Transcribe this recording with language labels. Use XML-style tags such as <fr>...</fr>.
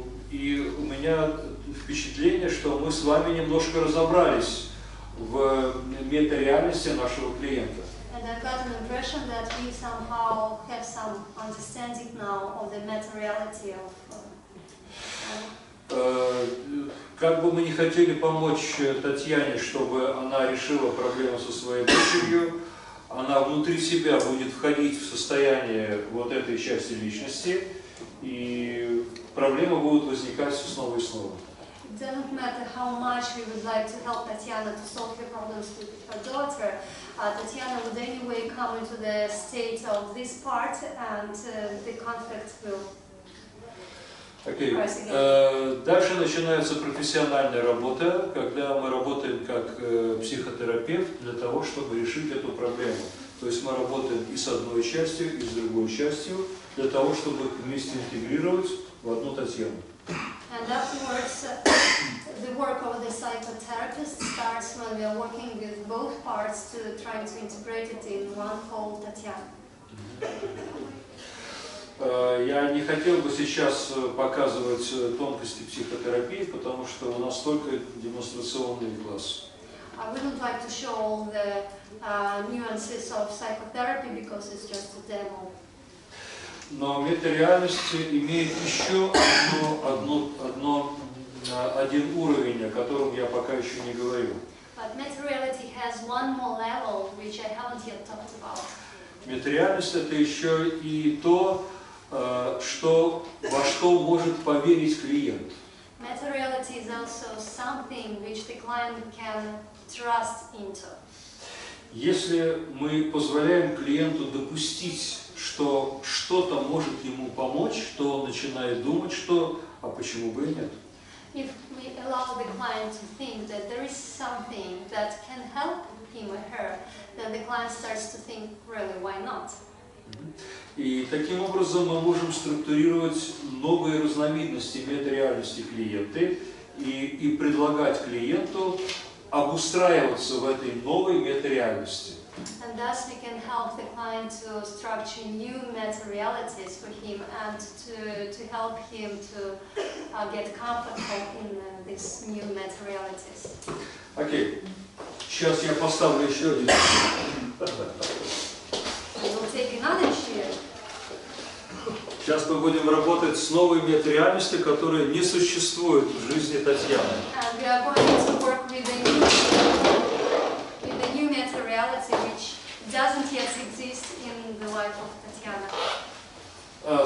<ru>И у меня впечатление, что мы с вами немножко разобрались в метареальности нашего клиента.</ru> <en>And I've got an impression that we somehow have some understanding now of the materiality of.</en> <ru>Как бы мы ни хотели помочь Татьяне, чтобы она решила проблему со своей дочерью, она внутри себя будет входить в состояние вот этой части личности, и проблемы будут возникать все снова и снова.</ru> <en>It doesn't matter how much we would like to help Татьяна to solve her problems with her daughter. Татьяна would anyway come into the state of this part, and the conflict will. Okay.</en> <ru>Дальше начинается профессиональная работа, когда мы работаем как психотерапевт для того, чтобы решить эту проблему. То есть мы работаем и с одной частью, и с другой частью для того, чтобы вместе интегрировать в одну Татьяну.</ru> <en>And afterwards, the work of the psychotherapist starts when we are working with both parts to try to integrate it in one whole Татьяна.</en> <ru>Я не хотел бы сейчас показывать тонкости психотерапии, потому что у нас только демонстрационный класс.</ru> <en>I wouldn't like to show all the nuances of psychotherapy because it's just a demo.</en> <ru>Но мир реальности имеет еще один уровень, о котором я пока еще не говорю.</ru> <en>But materiality has one more level, which I haven't yet talked about.</en> <ru>Материальность — это еще и то, что, во что может поверить клиент.</ru> <en>Materiality is also something which the client can trust into.</en> <ru>Если мы позволяем клиенту допустить, что что-то может ему помочь, то он начинает думать, что, а почему бы и нет?</ru> <en>If we allow the client to think that there is something that can help him or her, then the client starts to think, really, why not?</en> <ru>И таким образом мы можем структурировать новые разновидности метареальности клиента и предлагать клиенту обустраиваться в этой новой метареальности.</ru> <en>And thus we can help the client to structure new meta-realities for him and to help him to get comfortable in these new meta-realities.</en> <ru>Окей. Сейчас я поставлю еще один.</ru> <en>We'll take another chair.</en> <ru>Сейчас мы будем работать с новой метареальностью, которая не существует в жизни Татьяны.</ru> <en>And we are going to work with a new meta-reality, which doesn't yet exist in the life of Татьяна.</en>